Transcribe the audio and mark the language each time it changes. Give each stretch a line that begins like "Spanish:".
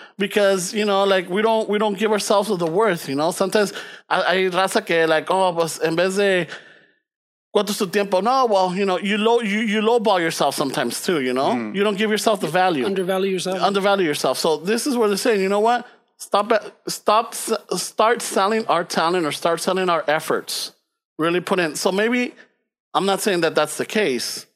English: because, you know, like, we don't give ourselves the worth, you know? Sometimes
Spanish: hay raza que, like, oh, pues, en vez de, ¿cuánto es tu tiempo?
English: No, well, you know, you lowball yourself sometimes, too, you know? Mm. You don't give yourself the value. Undervalue yourself. Undervalue yourself. So this is where they're saying, you know what? Start selling our talent or start selling our efforts. Really put in. So maybe, I'm not saying that that's the case.